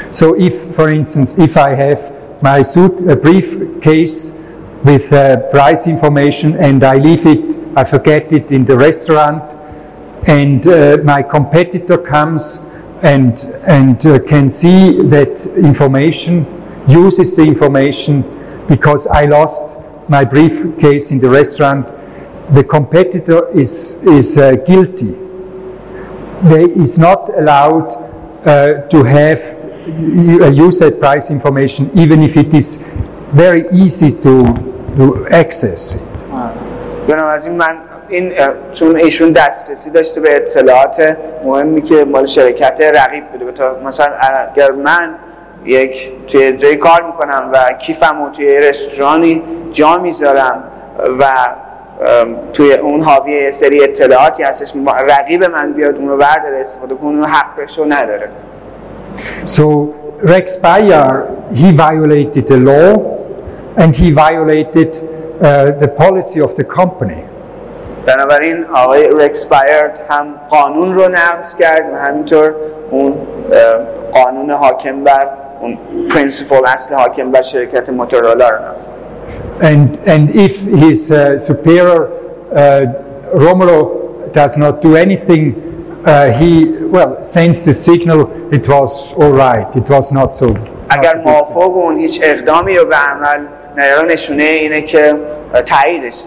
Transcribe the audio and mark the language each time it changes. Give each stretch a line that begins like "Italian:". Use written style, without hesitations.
English: So if, for instance, if I have my suit, a briefcase with price information and I leave it, I forget it in the restaurant, and my competitor comes and can see that information, uses the information because I lost my briefcase in the restaurant. The competitor is guilty. They is not allowed to have use that price information, even if it is very easy to access.
Persian: بنابراین من این چون ایشون دسترسی داشته به اطلاعات مهمی که مال شرکت رقیب بوده، به طور مثلا اگر من یک توی جایی کار میکنم و کیفمو توی رستورانی جا میذارم و توی اون حاوی سری اطلاعاتی هستش، رقیب من بیاد اونو برداره استفاده کنه، اون حقشو نداره.
English: So Rex Beyer, he violated the law and he violated the policy of the company.
Persian: بنابراین آقای رکس بایر هم قانون رو نقض کرد و همینطور اون قانون حاکم بر اون پرینسیپل اصل حاکم بر شرکت موتورولا رو نقض.
English: And if his superior Romulo does not do anything, he sends the signal it was all right, it was not so.
Persian: اگر موافق اون هیچ اقدامی رو به عمل نیاره، نشونه اینه که تاییدش